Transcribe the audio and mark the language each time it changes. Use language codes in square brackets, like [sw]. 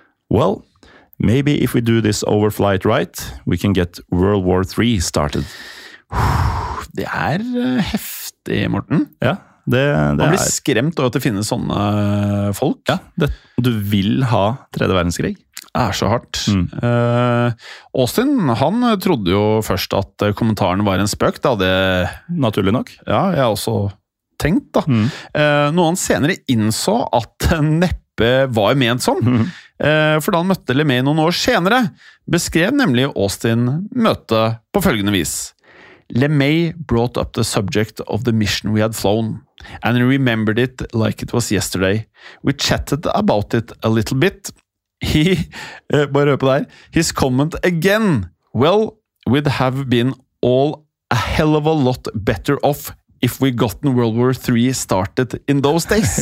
[en] Well, maybe if we do this overflight right, we can get World War III started. [no] Det heftig, Morten. Ja, det man blir skremt av at det finnes sånne folk. Ja, du vil ha 3. verdenskrig. Det er så hardt. Mm. Austin, han trodde jo først at kommentaren var en spøk, da det... Naturlig nok. Ja, jeg også... tenkt da. Mm. Noen senere innså at neppe var ment sånn, for da han møtte LeMay noen år senere, beskrev nemlig Austin møte på følgende vis. [en] LeMay brought up the subject of the mission we had flown, and he remembered it like it was yesterday. We chatted about it a little bit. [no] Bare hør på det her. [en] His comment again. Well, we'd have been all a hell of a lot better off if we gotten World War III started in those days.